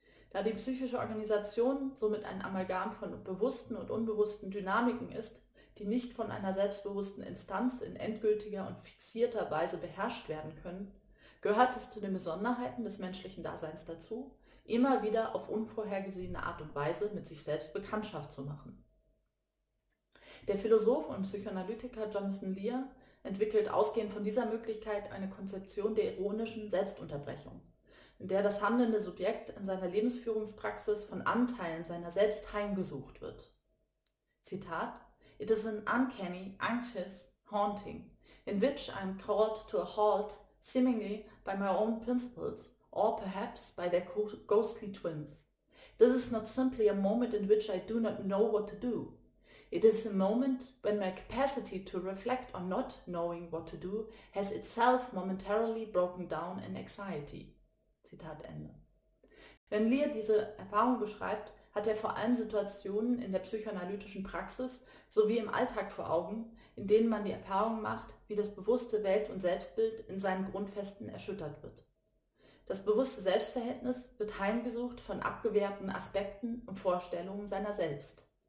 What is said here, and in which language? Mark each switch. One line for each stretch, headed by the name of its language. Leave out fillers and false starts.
German: Da die psychische Organisation somit ein Amalgam von bewussten und unbewussten Dynamiken ist, die nicht von einer selbstbewussten Instanz in endgültiger und fixierter Weise beherrscht werden können, gehört es zu den Besonderheiten des menschlichen Daseins dazu, immer wieder auf unvorhergesehene Art und Weise mit sich selbst Bekanntschaft zu machen. Der Philosoph und Psychoanalytiker Jonathan Lear entwickelt ausgehend von dieser Möglichkeit eine Konzeption der ironischen Selbstunterbrechung, in der das handelnde Subjekt in seiner Lebensführungspraxis von Anteilen seiner selbst heimgesucht wird.
English: Zitat: It is an uncanny, anxious, haunting, in which I'm called to a halt, seemingly by my own principles, or perhaps by their ghostly twins. This is not simply a moment in which I do not know what to do. It is a moment when my capacity to reflect on not knowing what to do has itself momentarily broken down in anxiety.
German: Zitat Ende. Wenn Lear diese Erfahrung beschreibt, hat er vor allem Situationen in der psychoanalytischen Praxis sowie im Alltag vor Augen, in denen man die Erfahrung macht, wie das bewusste Welt- und Selbstbild in seinen Grundfesten erschüttert wird. Das bewusste Selbstverhältnis wird heimgesucht von abgewehrten Aspekten und Vorstellungen seiner selbst.